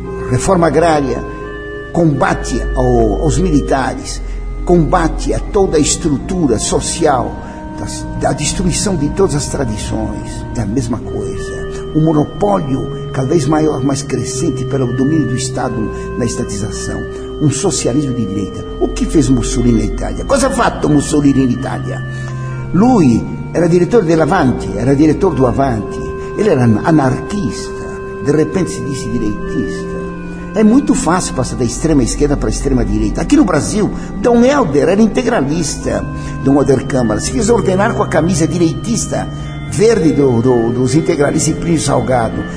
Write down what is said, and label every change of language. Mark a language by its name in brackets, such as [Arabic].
[Portuguese] Reforma agrária, combate aos militares, combate a toda a estrutura social, da destruição de todas as tradições. É a mesma coisa. O monopólio cada vez maior, mais crescente pelo domínio do Estado na estatização. Um socialismo de direita. O que fez Mussolini na Itália? [Italian] Cosa ha fatto Mussolini in Italia? Lui era direttore dell'Avanti, era direttore do Avanti. [Portuguese] Ele era anarquista, de repente se disse direitista. É muito fácil passar da extrema esquerda para a extrema direita. Aqui no Brasil, Dom Helder era integralista do Helder Câmara. Se quis ordenar com a camisa direitista verde dos integralistas e Plínio Salgado.